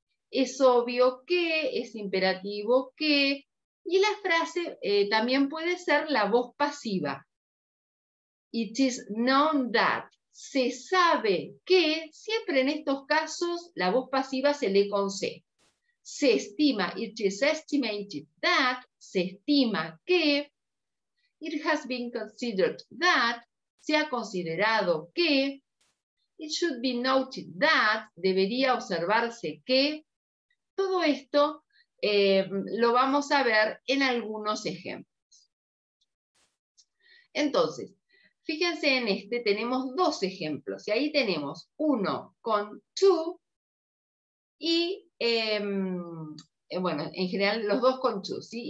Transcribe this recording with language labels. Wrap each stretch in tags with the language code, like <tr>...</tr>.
<es>Es obvio que, es imperativo que, y la frase también puede ser la voz pasiva.</es> <en>It is known that.</en> <es>Se sabe que, siempre en estos casos, la voz pasiva se lee con C. Se estima,</es> <en>it is estimated that,</en> <es>se estima que,</es> <en>it has been considered that,</en> <es>se ha considerado que,</es> <en>it should be noted that,</en> <es>debería observarse que. Todo esto lo vamos a ver en algunos ejemplos. Entonces, fíjense en este, tenemos dos ejemplos y ahí tenemos uno con to y, bueno, en general los dos con to, ¿sí?</es>